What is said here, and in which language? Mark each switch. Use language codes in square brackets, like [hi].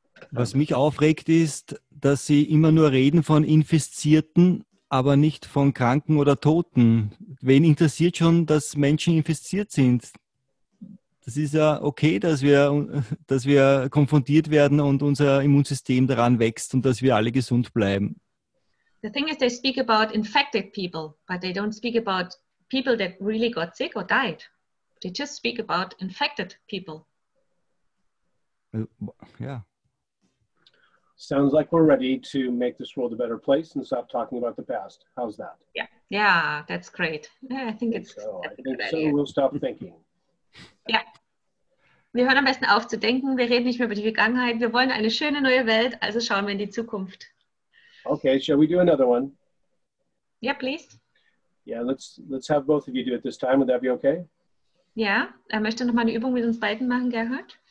[de] Was mich aufregt ist, dass sie immer nur reden von Infizierten, aber nicht von Kranken oder Toten. Wen interessiert schon, dass Menschen infiziert sind? Das ist ja okay, dass wir konfrontiert werden und unser Immunsystem daran wächst und dass wir alle gesund bleiben. [en] The thing is, they speak about infected people, but they don't speak about people that really got sick or died. They just speak about infected people. Yeah. Sounds like we're ready to make this world a better place and stop talking about the past. How's that? Yeah, that's great. Yeah, I think so. We'll stop thinking. [de] Ja, wir hören am besten auf zu denken, wir reden nicht mehr über die Vergangenheit, wir wollen eine schöne neue Welt, also schauen wir in die Zukunft. [en] Okay, shall we do another one? Yeah, please. Yeah, let's have both of you do it this time, would that be okay? [de] Ja, er möchte nochmal eine Übung mit uns beiden machen, Gerhard.